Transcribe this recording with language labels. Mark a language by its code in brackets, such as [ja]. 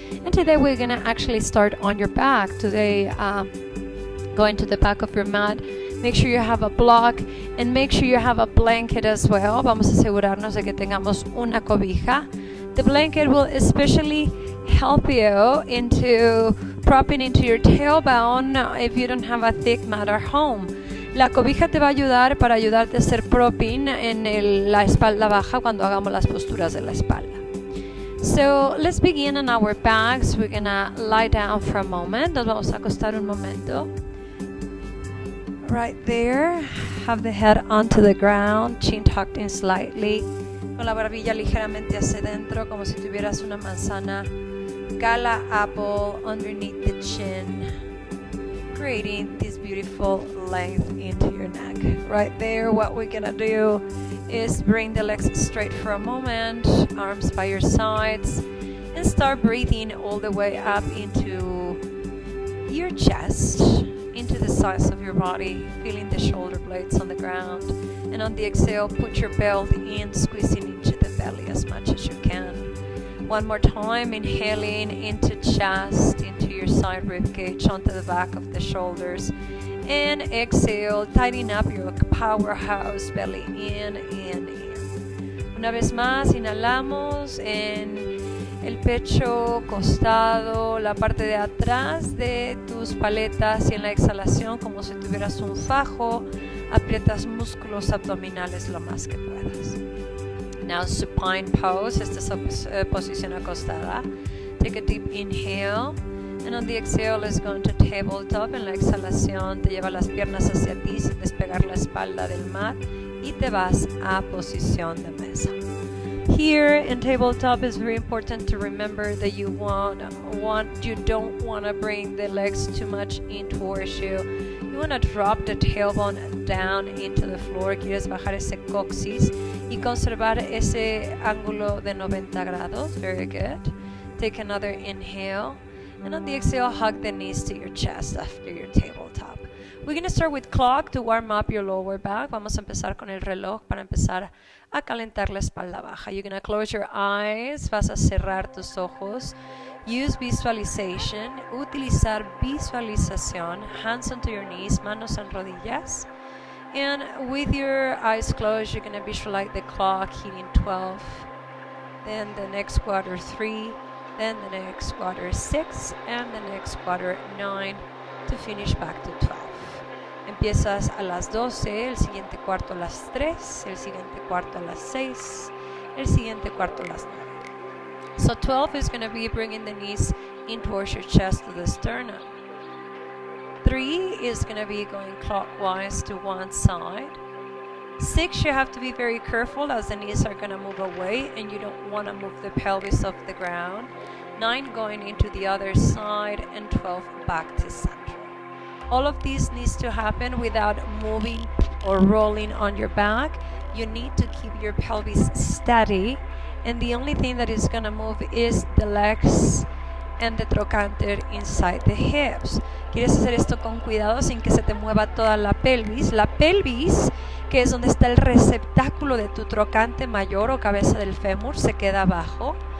[en] And today we're gonna actually start on your back. Today, go into the back of your mat, make sure you have a block, and make sure you have a blanket as well. [es] Vamos a asegurarnos de que tengamos una cobija. [en] The blanket will especially help you into propping into your tailbone if you don't have a thick mat at home. [es] La cobija te va a ayudar para ayudarte a hacer propping en la espalda baja cuando hagamos las posturas de la espalda. [en] So, let's begin on our backs. We're going to lie down for a moment. [es] Nos vamos a acostar un momento. [en] Right there. Have the head onto the ground, chin tucked in slightly. [es] Con la barbilla ligeramente hacia adentro, como si tuvieras una manzana. [en] Gala apple underneath the chin. Creating this beautiful length into your neck. Right there, what we're gonna do is bring the legs straight for a moment, arms by your sides, and start breathing all the way up into your chest, into the sides of your body, feeling the shoulder blades on the ground. And on the exhale, put your belt in, squeezing into the belly as much as you can. One more time, inhaling into chest, into your side rib cage, onto the back of the shoulders. And exhale, tightening up your powerhouse, belly in and in. [es] Una vez más, inhalamos en el pecho, costado, la parte de atrás de tus paletas y en la exhalación, como si tuvieras un fajo, aprietas músculos abdominales lo más que puedas. [en] Now supine pose, [es] esta es la posición acostada. [en] Take a deep inhale. And on the exhale, let's go into tabletop. [es] En la exhalación, te lleva las piernas hacia ti sin despegar la espalda del mat y te vas a posición de mesa. [en] Here in tabletop, it's very important to remember that you don't want to bring the legs too much in towards you. You want to drop the tailbone down into the floor. [es] Quieres bajar ese coxis y conservar ese ángulo de 90 grados. [en] Very good. Take another inhale. And on the exhale, hug the knees to your chest after your tabletop. We're going to start with clock to warm up your lower back. [es] Vamos a empezar con el reloj para empezar a calentar la espalda baja. [en] You're going to close your eyes. [es] Vas a cerrar tus ojos. [en] Use visualization. [es] Utilizar visualización. [en] Hands onto your knees. [es] Manos en rodillas. [en] And with your eyes closed, you're going to visualize the clock hitting 12. Then the next quarter, 3. Then the next quarter 6, and the next quarter 9, to finish back to 12. [es] Empiezas a las 12, el siguiente cuarto a las 3, el siguiente cuarto a las 6, el siguiente cuarto a las 9. [en] So 12 is going to be bringing the knees in towards your chest to the sternum. 3 is going to be going clockwise to one side. 6, you have to be very careful as the knees are going to move away and you don't want to move the pelvis off the ground. 9, going into the other side, and 12, back to center. All of this needs to happen without moving or rolling on your back. You need to keep your pelvis steady, and the only thing that is going to move is the legs and the trochanter inside the hips. [es] Quieres hacer esto con cuidado sin que se te mueva toda la pelvis. La pelvis, que es donde está el receptáculo de tu trocante mayor o cabeza del fémur, se queda abajo.